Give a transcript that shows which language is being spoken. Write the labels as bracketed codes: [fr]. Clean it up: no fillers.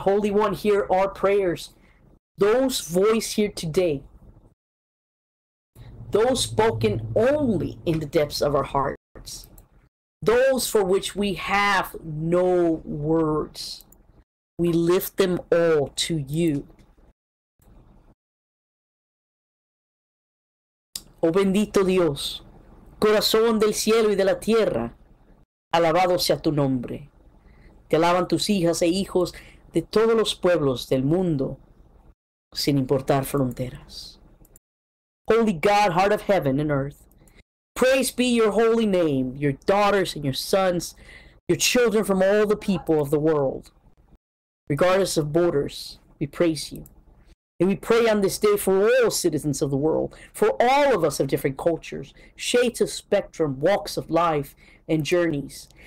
[en] Holy One, hear our prayers. Those voiced here today, those spoken only in the depths of our hearts, those for which we have no words, we lift them all to you. [es] Oh bendito Dios, corazón del cielo y de la tierra, alabado sea tu nombre. Te alaban tus hijas e hijos de todos los pueblos del mundo, sin importar fronteras. [en] Holy God, heart of heaven and earth, praise be your holy name, your daughters and your sons, your children from all the people of the world. Regardless of borders, we praise you. And we pray on this day for all citizens of the world, for all of us of different cultures, shades of spectrum, walks of life, and journeys.